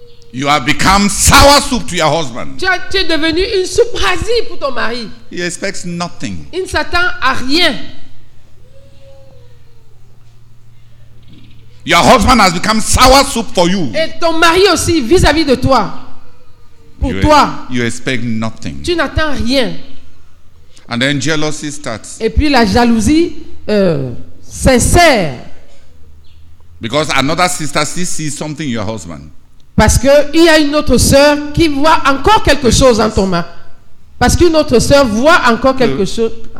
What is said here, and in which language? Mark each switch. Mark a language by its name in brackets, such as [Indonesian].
[English] You have become sour soup to your husband. [French] Tu es devenu une soupe rasée pour ton mari. [English] He expects nothing. [French] Il ne s'attend à rien. [English] Your husband has become sour soup for you. [French] Et ton mari aussi vis-à-vis de toi. Pour [English] you [French] toi. [English] You expect nothing. [French] Tu n'attends rien. [English] And then jealousy starts. [French] Et puis la jalousie sincère. [English] Because another sister still sees something in your husband. [French] Parce qu'il y a une autre sœur qui voit encore quelque chose en ton mari. Parce qu'une autre sœur voit encore quelque chose.